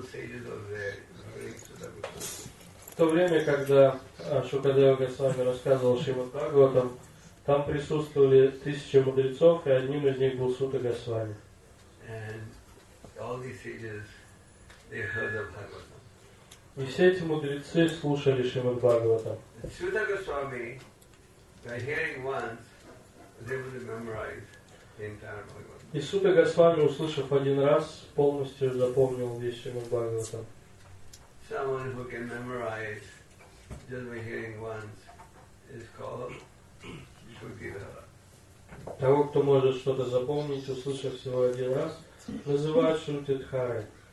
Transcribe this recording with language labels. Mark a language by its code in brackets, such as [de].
[ru] В то время, когда Шукадева Госвами рассказывал Шримад Бхагаватам, там присутствовали тысячи мудрецов, и одним из них был Сута Госвами. И все эти мудрецы слушали Шримад Бхагаватам. [en] Сута Госвами, by hearing once, they would memorize the entire Bhagavatam. [ru] И Сута Госвами, услышав один раз, полностью запомнил весь Шримад Бхагаватам. [en] Someone who can memorize just by hearing once is called Шрутидхара. [ru] Того, кто может что-то запомнить, услышав всего один раз, называют Шрутидхарой.